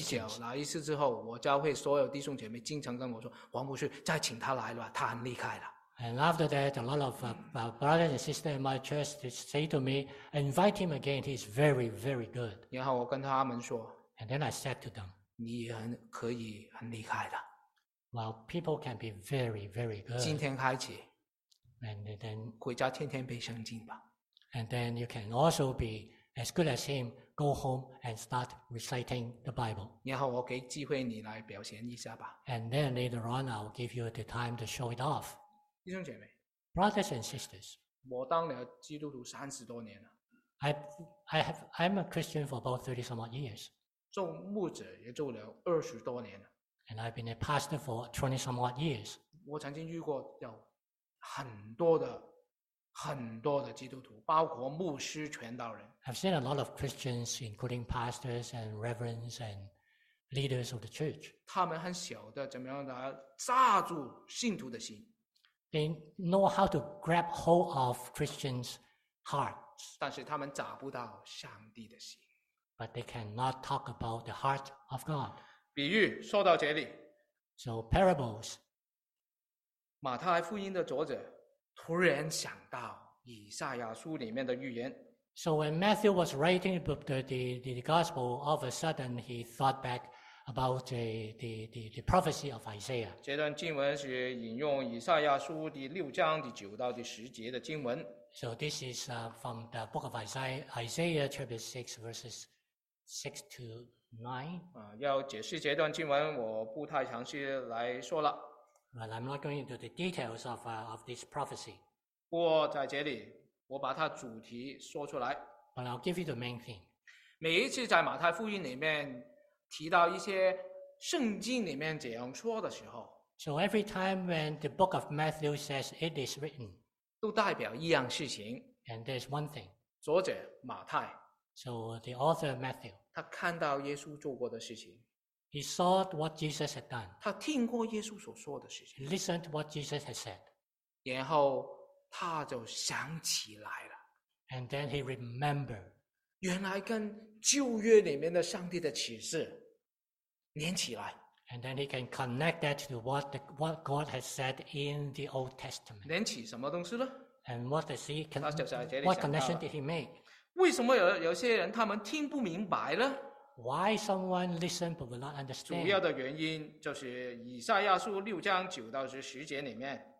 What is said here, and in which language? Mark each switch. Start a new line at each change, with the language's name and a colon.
Chinese: 计较来一次之后，我教会所有弟兄姐妹经常跟我说：“黄牧师，再请他来了，他很厉害了。”
English: And after that, a lot of brothers and sisters in my church say to me, "Invite him again. He's very, very good."
Chinese: 然后我跟他们说
English: ，And then I said to them,
Chinese: 你很可以很厉害的。
English: Well, people can be very, very good.
Chinese: 今天开始
English: ，And then
Chinese: 回家天天背圣经吧。
English: And then you can also be as good as him. Go home and start reciting the Bible.
Chinese: 然后我给机会你来表现一下吧。
English: And then later on, I'll give you the time to show it off.
Chinese: 弟兄姐妹
English: brothers and sisters,
Chinese: 我当了基督徒三十多年了。
English: I'm a Christian for about 30 some odd years.
Chinese: 做牧者也做了二十多年了。
English: And I've been a pastor for 20 some odd years.
Chinese: 我曾经遇过有很多的基督徒，包括牧师、传道人。
English: I've seen a lot of Christians, including pastors and reverends and leaders of the church.
Chinese: 他们很晓得怎么样来抓住信徒的心。
English: They know how to grab hold of Christians' hearts.
Chinese: 但是他们找不到上帝的心。
English: But they cannot talk about the heart of God.
Chinese: 比喻说到这里。
English: So parables.
Chinese: 马太福音的作者。突然想到以赛亚书里面的预言。
English: So when Matthew was writing the gospel, all of a sudden he thought back about the prophecy of Isaiah.
Chinese: 这段经文是引用以赛亚书第六章第九到第十节的经文。
English: So this is from the book of Isaiah chapter 6 verses 6 to 9.
Chinese: 要解释这段经文，我不太详细来说了。
English: Well, I'm not going into the details of this prophecy.
Chinese: 不过在这里，我把它主题说出来。
English: But I'll give you the main thing.
Chinese: 每一次在马太福音里面提到一些圣经里面怎样说的时候
English: ，So every time when the book of Matthew says it is written,
Chinese: 都代表一样事情。
English: And there's one thing.
Chinese: 作者马太
English: ，So the author Matthew,
Chinese: 他看到耶稣做过的事情。
English: He saw what Jesus had done.
Chinese: 他听过耶稣所说的事情。
English: Listened what Jesus had said.
Chinese: 然后他就想起来了。
English: And then he remembered.
Chinese: 原来跟旧约里面的上帝的启示连起来。
English: And then he can connect that to what God has said in the Old Testament.
Chinese: 连起什么东西呢？
English: And what does he what connection did he make?
Chinese: 为什么有些人他们听不明白呢？
English: Why someone listen but will not understand?
Chinese: 主要的原因就是以赛亚书六章九到十节里面。